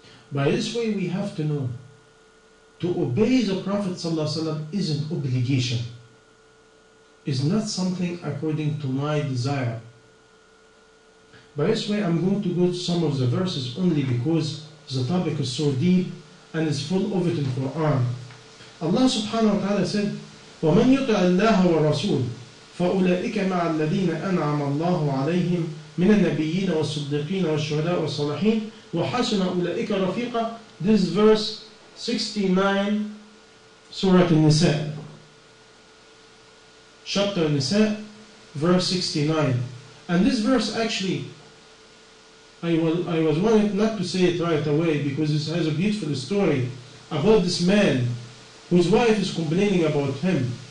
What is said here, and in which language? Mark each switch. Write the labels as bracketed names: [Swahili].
[English] By this way, we have to know, to obey the Prophet sallallahu alayhi wa sallam is an obligation. It's not something according to my desire. By this way, I'm going to go to some of the verses only because the topic is so deep and it's full of it in Quran. Allah subhanahu wa ta'ala said, [Arabic] ومن يطع الله والرسول فأولئك مع الذين أنعم الله عليهم من النبيين والصديقين والشهداء والصالحين وحسن أولئك رفيقا. [English] This verse 69 سورة النساء chapter Nisa verse 69. And this verse actually I was wanted not to say it right away because it has a beautiful story about this man whose wife is complaining about him.